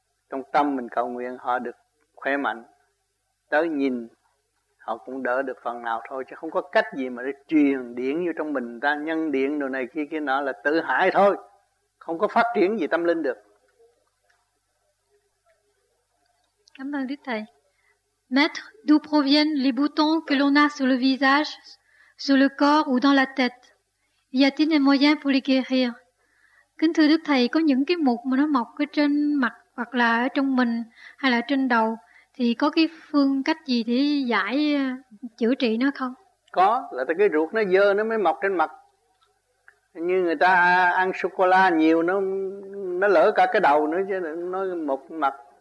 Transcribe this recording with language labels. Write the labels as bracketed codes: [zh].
[vi] Trong tâm mình cầu nguyện họ được khỏe mạnh, tới nhìn họ cũng đỡ được phần nào thôi, chứ không có cách gì mà để truyền điển vô trong mình ta, nhân điển đồ này kia kia nọ là tự hại thôi, không có phát triển gì tâm linh được. Cảm ơn Đức Thầy. [fr] Maître, d'où proviennent les boutons que l'on a sur le visage, sur le corps ou dans la tête? Y a-t-il des moyens pour les guérir? [vi] Kính thưa Đức Thầy, có những cái mục mà nó mọc ở trên mặt hoặc là ở trong mình hay là trên đầu thì có cái phương cách gì để giải chữa trị nó không? Có, là cái ruột nó dơ nó mới mọc trên mặt. Như người ta ăn sô-cô-la nhiều nó lỡ cả cái đầu nữa chứ nó mọc mặt.